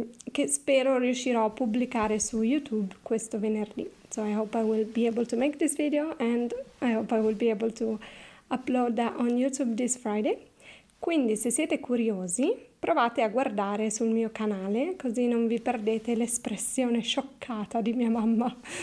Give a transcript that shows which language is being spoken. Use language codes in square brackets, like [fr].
[it] Che spero riuscirò a pubblicare su YouTube questo venerdì. [en] So I hope I will be able to make this video and I hope I will be able to upload that on YouTube this Friday. [it] Quindi se siete curiosi provate a guardare sul mio canale così non vi perdete l'espressione scioccata di mia mamma.